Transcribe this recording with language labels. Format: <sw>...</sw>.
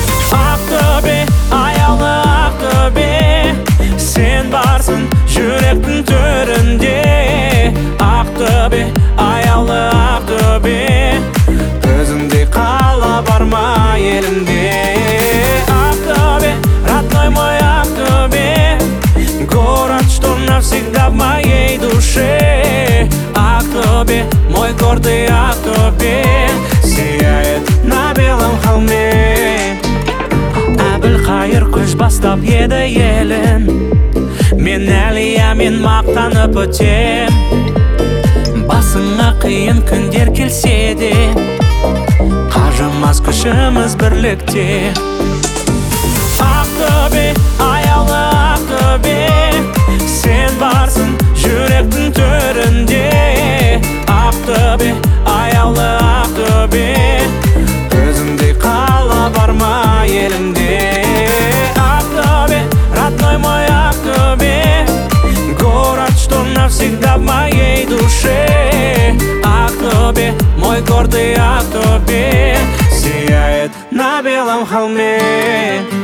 <kk>Ақтөбе, аялы Ақтөбе, сен барсың жүректің төрінде. Ақтөбе, аялы Ақтөбе, өзіңдей қала бар ма елімде.</kk> <ru>Ақтөбе, родной мой Ақтөбе, город, что навсегда в моей душе. Ақтөбе, мой гордый Ақтөбе, сияет на белом холме.</ru> <kk>Әбілқайыр көш бастап еді елін, мен әлия мен мақтанып өтем. Басыңа қиын күндер келсе де, қажымас күшіміз бірлікте. Ақтөбе, аялы Ақтөбе, сен барсың жүректің төрінде. Ақтөбе, аялы Ақтөбе, өзіңдей қала бар ма елімде.</kk> <ru>Ақтөбе, родной мой Ақтөбе, город, что навсегда в моей душе. Ақтөбе, мой гордый Ақтөбе, сияет на белом холме.</ru>